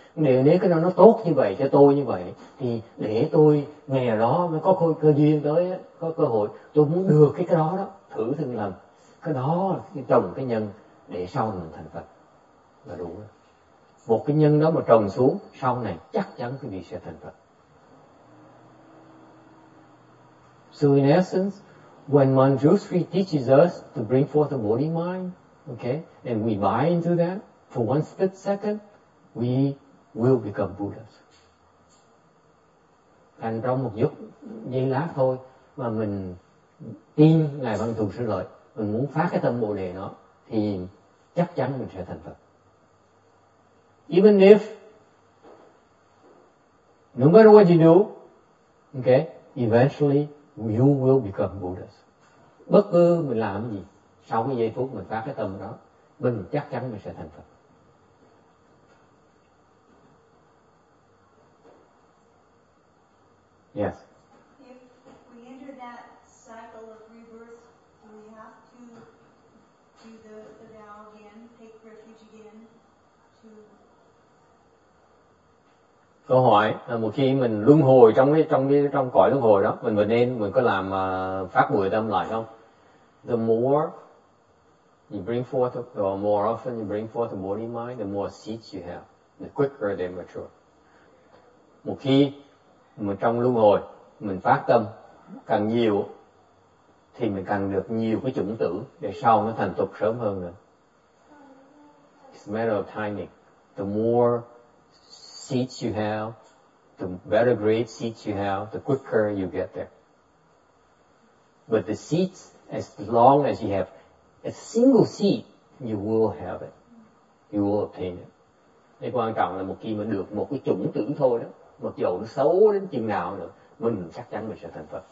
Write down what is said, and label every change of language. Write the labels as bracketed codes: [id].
[vi] Nếu cái đó nó tốt như vậy cho tôi như vậy thì để tôi ngày đó mới có cơ duyên tới, có cơ hội tôi muốn được cái đó đó, thử từng lần cái đó trồng cái nhân để sau mình thành Phật là đủ. Một cái nhân đó mà trồng xuống sau này chắc chắn cái vị sẽ thành Phật. [en] So in essence, when Manjushri teaches us to bring forth the body mind, okay, and we buy into that for one split second, we will become Buddhas. [vi] thành trong một chút giây lát thôi mà mình tin Ngài Văn Thù Sư Lợi, mình muốn phát cái tâm Bồ Đề đó, thì chắc chắn mình sẽ thành Phật. [en] Even if no matter what you do, okay, eventually you will become Buddha. [vi] Bất cứ mình làm gì, sau cái giây phút mình phát cái tâm đó, mình chắc chắn mình sẽ thành Phật. [en] Yes. If we enter that cycle of rebirth, do we have to do the vow again, take refuge again? To... [vi] Câu hỏi là một khi mình luân hồi trong cõi luân hồi đó, mình có làm phát bồi tâm lại không? [en] The more you bring forth, the more often you bring forth the body mind, the more seeds you have, the quicker they mature. [vi] Một khi mình trong luân hồi, mình phát tâm càng nhiều thì mình càng được nhiều cái chủng tử để sau nó thành tục sớm hơn nữa. [en] It's a matter of timing. The more seeds you have, the better great seeds you have, the quicker you get there. But the seeds, as long as you have a single seed, you will have it. You will obtain it. [vi] Cái quan trọng là một khi mình được một cái chủng tử thôi đó, mặc dù nó xấu đến chừng nào nữa, mình chắc chắn mình sẽ thành Phật.